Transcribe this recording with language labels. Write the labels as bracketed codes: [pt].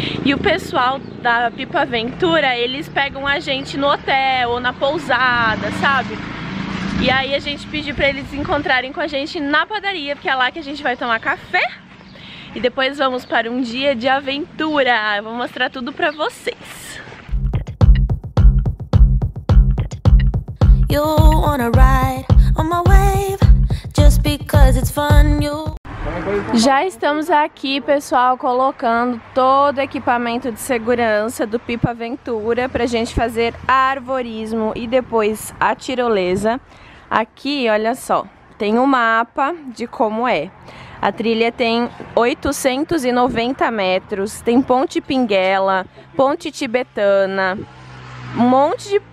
[pt] E o pessoal da Pipa Aventura, eles pegam a gente no hotel ou na pousada, sabe? E aí a gente pediu pra eles encontrarem com a gente na padaria, porque é lá que a gente vai tomar café. E depois vamos para um dia de aventura. Eu vou mostrar tudo pra vocês. [en] You wanna ride on my wave, just because it's fun, you... [pt] Já estamos aqui, pessoal, colocando todo o equipamento de segurança do Pipa Aventura pra gente fazer arvorismo e depois a tirolesa. Aqui, olha só, tem um mapa de como é. A trilha tem 890 metros, tem ponte Pinguela, ponte Tibetana, um monte de...